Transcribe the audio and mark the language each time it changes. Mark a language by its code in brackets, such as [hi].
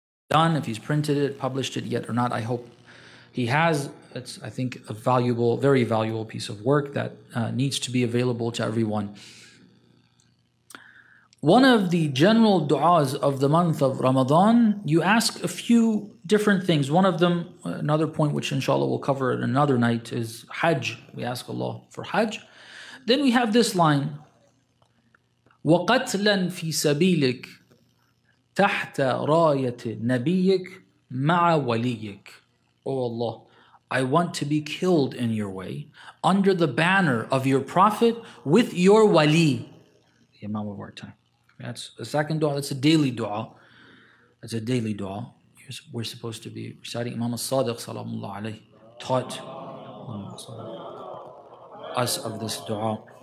[en] Done, if he's printed it, published it yet or not. I hope He has, it's, I think, a valuable, very valuable piece of work that needs to be available to everyone. One of the general du'as of the month of Ramadan, you ask a few different things. One of them, another point which inshallah we'll cover in another night, is Hajj. We ask Allah for Hajj. Then we have this line, [ar] وَقَتْلًا فِي سَبِيلِكْ تَحْتَ رَايَةِ نَبِيِّكْ مَعَ وَلِيِّكْ. [en] Oh Allah, I want to be killed in your way, under the banner of your Prophet, with your Wali. The Imam of our time. That's a second dua, that's a daily dua. That's a daily dua. We're supposed to be reciting. Imam al-Sadiq salamullah alayhi taught us of this dua.